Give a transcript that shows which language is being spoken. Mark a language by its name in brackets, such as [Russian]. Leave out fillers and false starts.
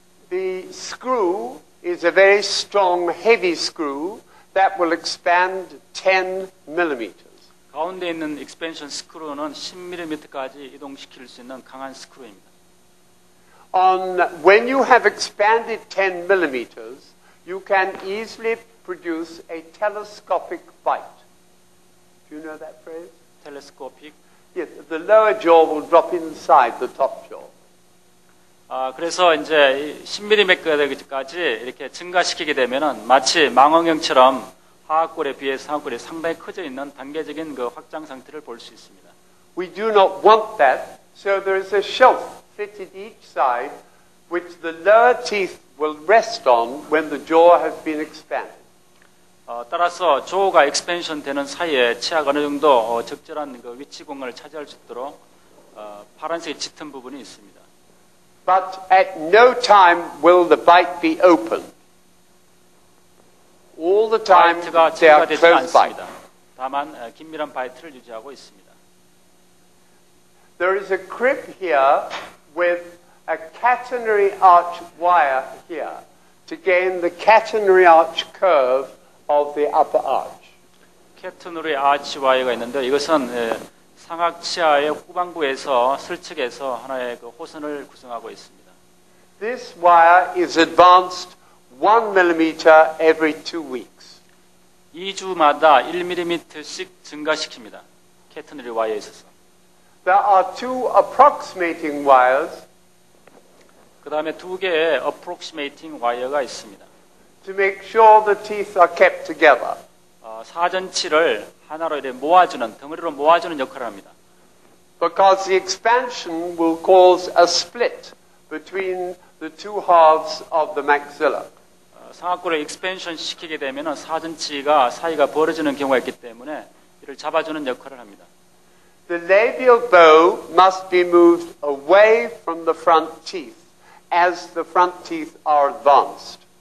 [English] The screw is a very strong, heavy screw that will expand 10 millimeters. [Korean] 가운데 있는 expansion screw는 10mm까지 이동시킬 수 있는 강한 스크루입니다. [English] When you have expanded 10 millimeters, you can easily produce a telescopic bite. Do you know that phrase? Telescopic. Yes, the lower jaw will drop inside the top jaw. [Korean] 그래서 이제 10mm까지 이렇게 증가시키게 되면은 마치 망원경처럼 하악골에 비해 상악골이 상당히 커져 있는 단계적인 그 확장 상태를 볼 수 있습니다. [English] We do not want that, so there is a shelf fitted each side which the lower teeth will rest on when the jaw has been expanded. [Korean] 따라서 조가 expansion 되는 사이에 치아가 어느 정도 적절한 그 위치 공간을 차지할 수 있도록 파란색 짙은 부분이 있습니다. [English] But at no time will the bite be open. All the time they are closed bite. [Korean] 다만 긴밀한 바이트를 유지하고 있습니다. [English] There is a crib here with a catenary arch wire here to gain the catenary arch curve of the upper arch. [Korean] 캐터너리 아치 와이어가 있는데 이것은 상악치아의 후방부에서 설치해서 하나의 그 호선을 구성하고 있습니다. [English] This wire is advanced 1 mm every 2 weeks. [Korean] 2주마다 1mm씩 증가시킵니다. 캐터너리 와이어에 있어서. [English] There are two approximating wires. [Korean] 그다음에 두 개의 approximating wire가 있습니다. [English] To make sure the teeth are kept together. [Korean] 사전치를 하나로 이렇게 모아주는 덩어리로 모아주는 역할을 합니다. [English] Because the expansion will cause a split between the two halves of the maxilla. [Korean] 상악골을 expansion 시키게 되면은 사전치가 사이가 벌어지는 경우가 있기 때문에 이를 잡아주는 역할을 합니다. [English] The labial bow must be moved away from the front teeth as the front teeth are advanced.